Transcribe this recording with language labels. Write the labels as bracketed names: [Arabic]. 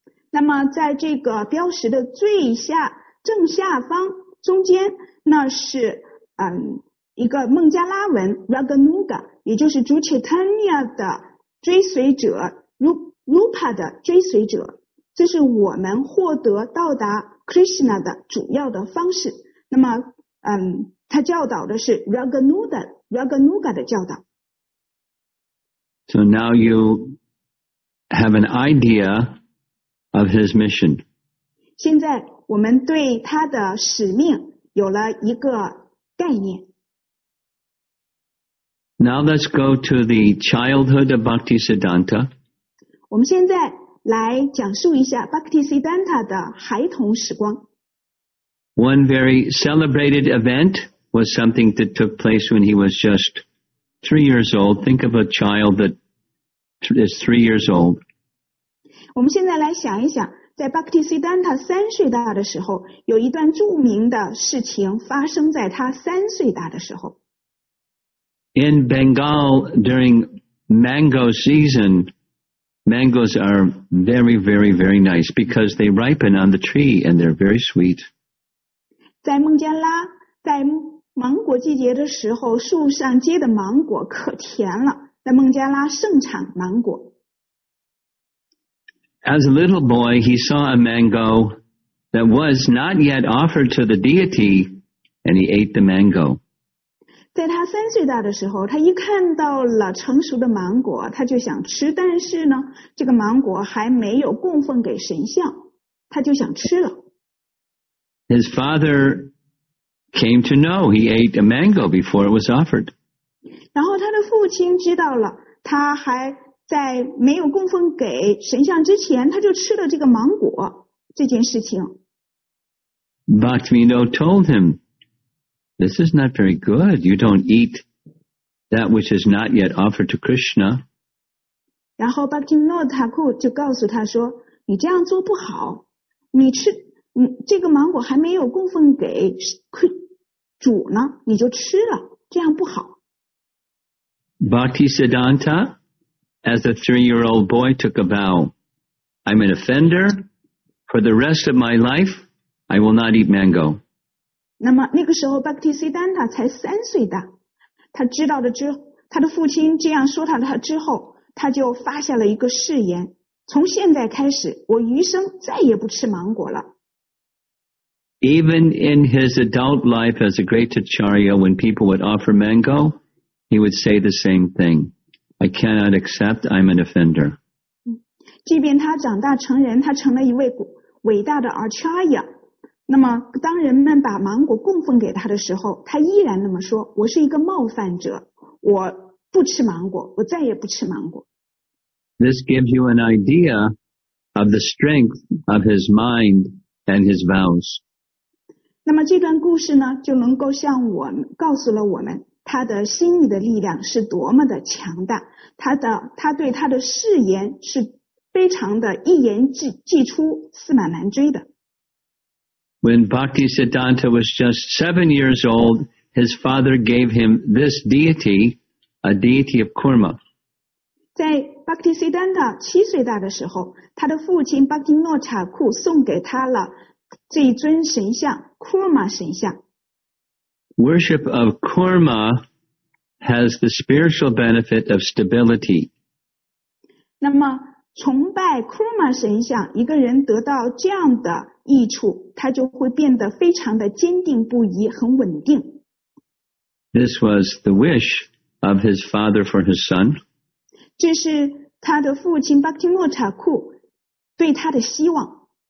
[Chinese] 那么在这个标识的最下正下方中间那是一个孟加拉文 Raganuga 也就是 主 Chaitanya 的追随者 Rupa 的追随者这是我们获得到达 Krishna 的主要的方式那么他教导的是 Raganuga 的教导 [English] So now you have an idea of his mission. [Chinese] 现在我们对他的使命有了一个概念。 [English] Now let's go to the childhood of Bhaktisiddhanta. [Chinese] 我们现在来讲述一下 Bhaktisiddhanta 的孩童时光。 [English] One very celebrated event was something that took place when he was just 3 years old. Think of a child that is 3 years old. [Chinese] 我们现在来想一想在 Bhaktisiddhanta 三岁大的时候有一段著名的事情发生在他三岁大的时候。 [English] In Bengal, during mango season, mangoes are very, very, very nice because they ripen on the tree and they're very sweet. [Chinese] 在孟加拉在芒果季节的时候树上结的芒果可甜了。在孟加拉盛产芒果。 [English] As a little boy, he saw a mango that was not yet offered to the deity, and he ate the mango. [Chinese] 在他三岁大的时候，他一看到了成熟的芒果，他就想吃，但是呢，这个芒果还没有供奉给神像，他就想吃了。 [English] His father came to know he ate a mango before it was offered. [Chinese] 然后他的父亲知道了他还在没有供奉给神像之前他就吃了这个芒果这件事情。 [English] Bhaktivinoda told him, this is not very good, you don't eat that which is not yet offered to Krishna. [Chinese] 然后 Bhaktivinoda Thakur 就告诉他说你这样做不好你吃这个芒果还没有供奉给主呢你就吃了这样不好。 [English] Bhaktisiddhanta, as a 3-year-old boy, took a vow. I'm an offender. For the rest of my life, I will not eat mango. [Chinese] 那么那个时候 Bhaktisiddhanta 才三岁大，他知道了之，他的父亲这样说他之后，他就发下了一个誓言：从现在开始，我余生再也不吃芒果了。 [English] Even in his adult life as a great acharya, when people would offer mango,He would say the same thing. I cannot accept, I'm an offender. [Chinese] 即便他长大成人他成了一位伟大的 Acharya 那么当人们把芒果供奉给他的时候他依然那么说我是一个冒犯者我不吃芒果我再也不吃芒果。 [English] This gives you an idea of the strength of his mind and his vows. [Chinese] 那么这段故事呢就能够向我们告诉了我们他的心意的力量是多么的强大他对他的誓言是非常的一言既出驷马难追的。 [English] When Bhaktisiddhanta was just 7 years old, his father gave him this deity, a deity of Kurma. [Chinese] 在 Bhaktisiddhanta 七岁大的时候他的父亲 Bhaktivinoda Thakur 送给他了这一尊神像 Kurma 神像。 [English] Worship of Kurma has the spiritual benefit of stability. [Chinese] 那么崇拜 Kurma 神像一个人得到这样的益处他就会变得非常的坚定不移很稳定。 [English] This was the wish of his father for his son. [Chinese] 这是他的父亲巴提莫塔库对他的希望。